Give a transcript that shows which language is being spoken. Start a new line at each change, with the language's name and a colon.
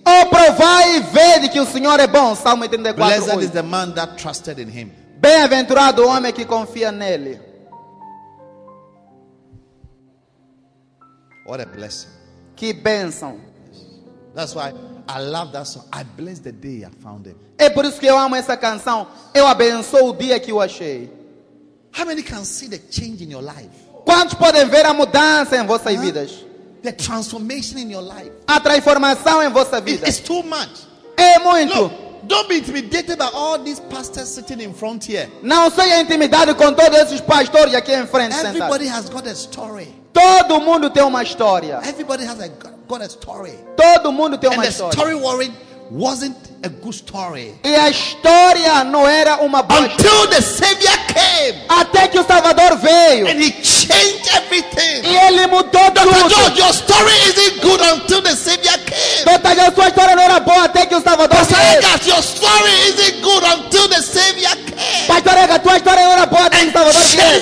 Portuguese: Oh, provar e ver que o Senhor é bom. Salmo 34.
English: Blessed 8. Is the man that trusted in him.
Portuguese: Bem-aventurado o homem que confia nele.
English: What a blessing.
Portuguese: Que bênção.
English: That's why I love that song. I bless the day I found him.
Portuguese: É por isso que eu amo essa canção. Eu abençoo o dia que eu achei.
English: How many can see the change in your life?
Portuguese: Quantos podem ver a mudança em vossas vidas?
English: The transformation in your life.
Portuguese: A transformação em vossa vida.
English: It's too much.
Portuguese: É muito.
English: Look, don't be intimidated by all these pastors sitting in front here.
Portuguese: Não seja intimidado com todos esses pastores aqui em frente.
English: Everybody has got a story.
Portuguese: Todo mundo tem uma história.
English: Everybody has a got a story.
Portuguese: Todo mundo tem
English: and
Portuguese: uma
English: the story wasn't a good story.
Portuguese: E a história não era uma boa.
English: Until the Savior came.
Portuguese: Até que o Salvador veio.
English: And he changed everything.
Portuguese: E ele mudou
English: Dr.
Portuguese: tudo.
English: George, your story isn't good until the Savior came.
Portuguese: Doutor George, sua história não era boa até que o Salvador veio.
English: Pastor Edgar, your story isn't good until the Savior came.
Portuguese: Pastor Edgar, tua história não era boa até que o Salvador veio.